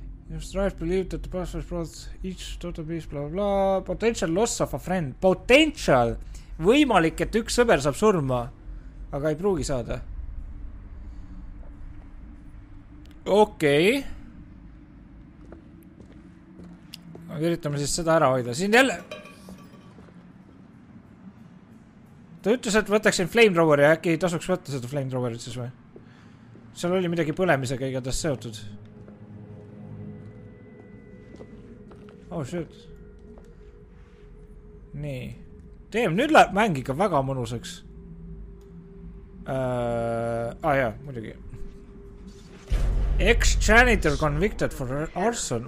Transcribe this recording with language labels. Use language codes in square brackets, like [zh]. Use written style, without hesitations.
[en] Your strife believed that the password brought each totem piece, blah, blah. Potential loss of a friend. Potential! [et] Võimalik, et üks sõber saab surma. Aga ei pruugi saada. Okei. Okay. Üritame siis seda ära hoida. Siin jälle... Ta ütles, et võtaksin flamethroweri ja äkki ei tasuks võtta seda flamethrowerit siis või? Seal oli midagi põlemisega igatahes seotud. [en] Oh shit. [et] Nii. Teem, nüüd läheb mäng ikka väga mõnuseks. Jah, muidugi. [en] Ex-janitor convicted for arson.